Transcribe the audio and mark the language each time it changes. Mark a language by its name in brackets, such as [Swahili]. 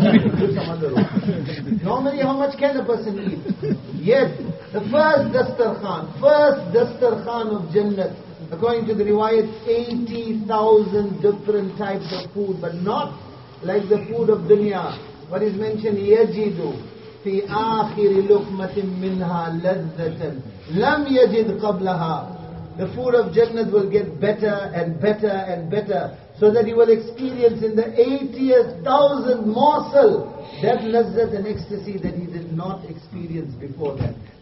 [English] Do some other road. Normally, how much can a person eat? Yet, the first dastarkhan of Jannat, according to the riwayat, 80,000 different types of food, but not like the food of dunya. What is mentioned, [Arabic] يَجِدُ فِي آخِرِ لُقْمَةٍ مِّنْهَا لَذَّةً لَمْ يَجِدْ قَبْلَهَا. [English] The food of Jannat will get better and better and better, so that you will experience in the 80,000 morsel that lazzat and ecstasy that he did not experience before that.